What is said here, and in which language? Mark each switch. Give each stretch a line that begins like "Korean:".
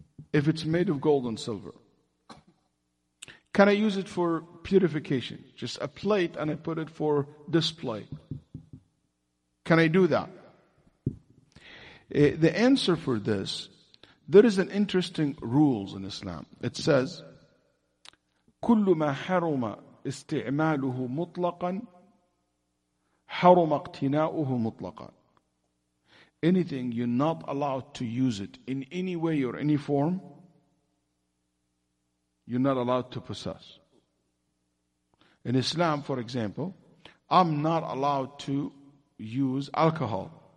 English: If it's made of gold and silver, can I use it for purification? Just a plate and I put it for display. Can I do that? The answer for this, there is an interesting rules in Islam. It says,
Arabic: كل ما حرم استعماله مطلقا حرم اقتناؤه مطلقا.
English: Anything you're not allowed to use it in any way or any form, you're not allowed to possess. In Islam, for example, I'm not allowed to use alcohol.